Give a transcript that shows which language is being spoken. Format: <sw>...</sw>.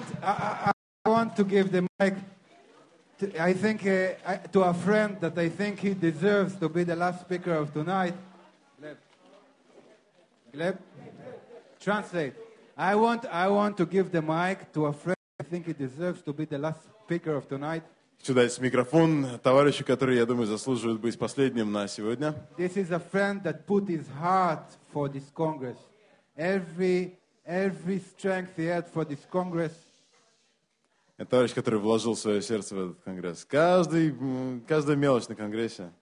<en>I want to give the mic to, I think to a friend that I think he deserves to be the last speaker of tonight. Gleb, translate. I want to give the mic to a friend I think he deserves to be the last speaker of tonight.</en> <ru>Хочу дать микрофон товарищу, который, я думаю, заслуживает быть последним на сегодня.</ru> <en>This is a friend that put his heart for this Congress. Every strength he had for this Congress.</en> <ru>Это товарищ, который вложил свое сердце в этот Конгресс. Каждая мелочь на Конгрессе.</ru>